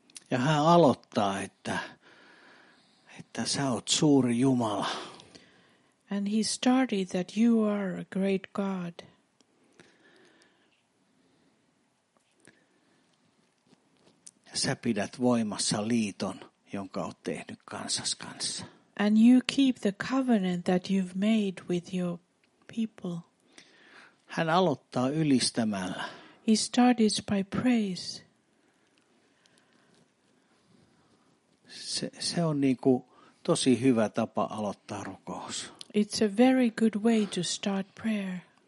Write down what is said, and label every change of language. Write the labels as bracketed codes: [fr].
[fi] Ja hän aloittaa, että sä oot suuri Jumala. [en] And he started that you are a great God. [fi] Ja sä pidät voimassa liiton, jonka oot tehnyt kansas kanssa. [en] And you keep the covenant that you've made with your people. [fi] Hän aloittaa ylistämällä. [en] He starts by praise. [fi] Se on niinku tosi hyvä tapa aloittaa rukous. [en] It's a very good way to start prayer.